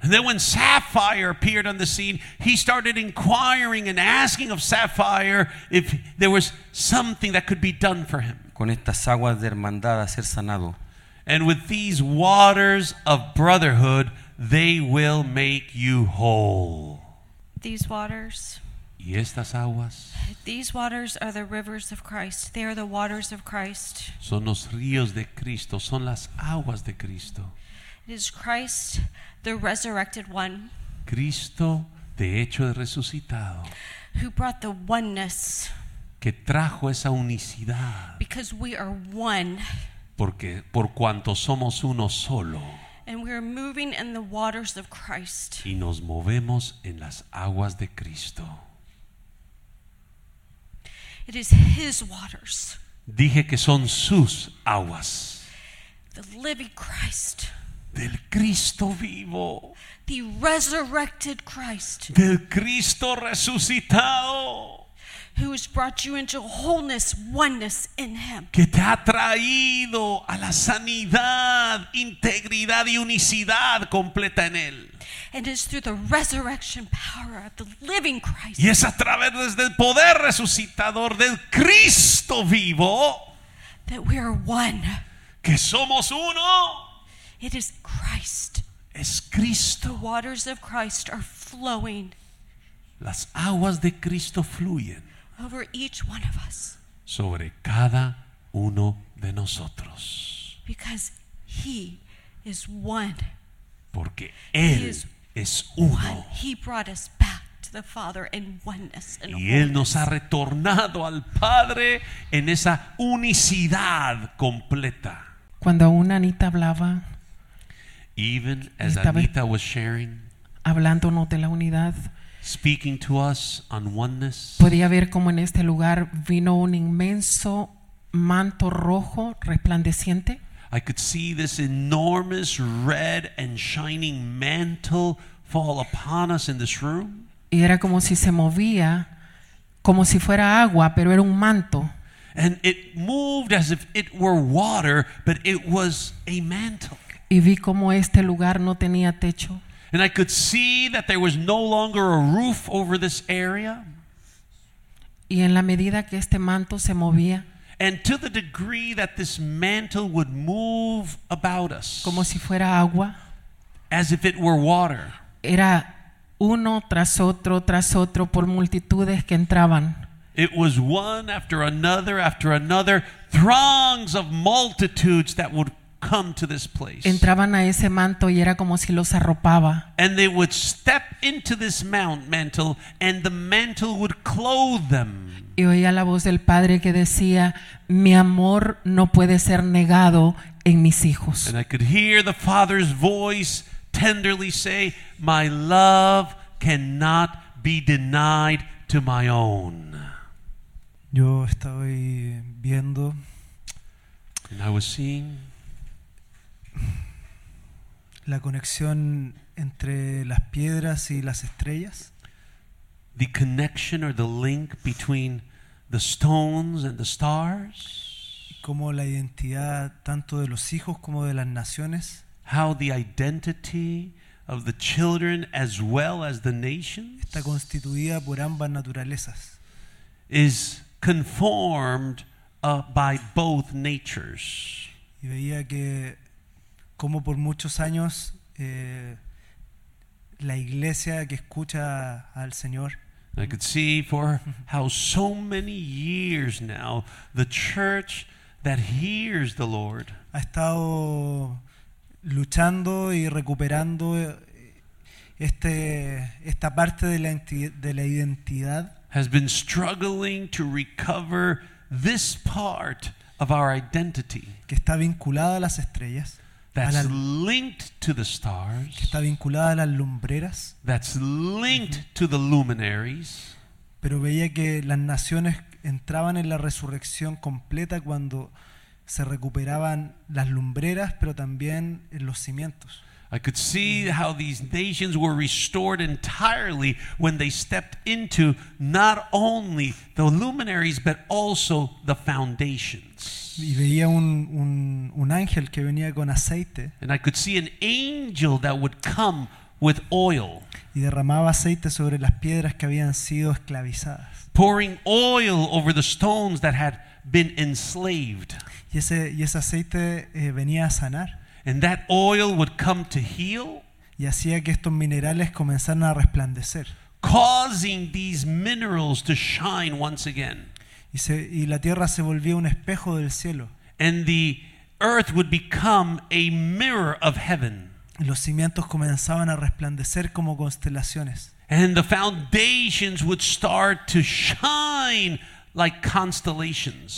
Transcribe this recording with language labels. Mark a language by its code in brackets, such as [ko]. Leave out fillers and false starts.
[en] And then when Sapphire appeared on the scene, he started inquiring and asking of Sapphire if there was something that could be done for him. [es] Con estas aguas de hermandad a ser sanado. [en] And with these waters of brotherhood, they will make you whole. These waters. [es] Y estas aguas. [en] These waters are the rivers of Christ. They are the waters of Christ. [es] Son los ríos de Cristo. Son las aguas de Cristo. [en] It is Christ, the resurrected one. [es] Cristo, de hecho, resucitado. [en] Who brought the oneness. [es] Que trajo esa unicidad. [en] Because we are one. [es] Porque, por cuanto somos uno solo. [en] And we are moving in the waters of Christ. [es] Y nos movemos en las aguas de Cristo. [en] It is his waters. [es] Dije que son sus aguas. [en] The living Christ. [es] Del Cristo vivo. [en] The resurrected Christ. [es] Del Cristo resucitado. [en] Who has brought you into wholeness, oneness in him. [es] Que te ha traído a la sanidad, integridad y unicidad completa en él. [en] And it is through the resurrection power of the living Christ. [es] Y es a través del poder resucitador del Cristo vivo. [en] That we are one. [es] Que somos uno. [en] It is Christ. [es] Es Cristo. [en] The waters of Christ are flowing. [es] Las aguas de Cristo fluyen. [en] Over each one of us. [es] Sobre cada uno de nosotros. [en] Because he is one. [es] Porque él es uno. [en] He brought us back to the Father in oneness and holiness. [es] Y Él nos ha retornado al Padre en esa unicidad completa. Cuando una Anita hablaba, [en] even as Anita was sharing, [es] hablándonos de la unidad, [en] speaking to us on oneness, [es] podía ver como en este lugar vino un inmenso manto rojo resplandeciente. [en] I could see this enormous red and shining mantle fall upon us in this room. [es] Y era como si se movía, como si fuera agua, pero era un manto. [en] And it moved as if it were water, but it was a mantle. [es] Y vi como este lugar no tenía techo. [en] And I could see that there was no longer a roof over this area. [es] Y en la medida que este manto se movía, [en] and to the degree that this mantle would move about us, [es] como si fuera agua, [en] as if it were water, [es] era uno tras otro por multitudes que entraban. [en] It was one after another, throngs of multitudes that would come to this place. [es] Entraban a ese manto y era como si los arropaba. [en] And they would step into this mantle, and the mantle would clothe them. [es] Y oía la voz del Padre que decía, mi amor no puede ser negado en mis hijos. [en] And I could hear the Father's voice tenderly say, my love cannot be denied to my own. [es] Yo estaba viendo, [en] and I was seeing [es] la conexión entre las piedras y las estrellas. [en] The connection or the link between the stones and the stars. [es] Como la identidad tanto de los hijos como de las naciones. [en] How the identity of the children as well as the nations. [es] Está constituida por ambas naturalezas. [en] Is conformed by both natures. [es] Y veía que como por muchos años la iglesia que escucha al Señor. [en] I could see for how so many years now the church that hears the Lord [es] ha estado luchando y recuperando esta parte de la identidad, [en] has been struggling to recover this part of our identity, [es] que está vinculada a las estrellas, [en] that's linked to the stars, [es] que está vinculada a las lumbreras, [en] that's linked to the luminaries. [es] Pero veía que las naciones entraban en la resurrección completa cuando se recuperaban las lumbreras, pero también en los cimientos. [en] I could see how these nations were restored entirely when they stepped into not only the luminaries but also the foundations. [es] Y veía un ángel que venía con aceite. [en] And I could see an angel that would come with oil. [es] Y derramaba aceite sobre las piedras que habían sido esclavizadas. [en] Pouring oil over the stones that had been enslaved. [es] Y ese aceite venía a sanar. [en] And that oil would come to heal. [es] Y hacía que estos minerales comenzaran a resplandecer. [en] Causing these minerals to shine once again. [es] Y la tierra se volvía un espejo del cielo. [en] And the earth would become a mirror of heaven. [es] Los cimientos comenzaban a resplandecer como constelaciones. [en] And the foundations would start to shine like constellations.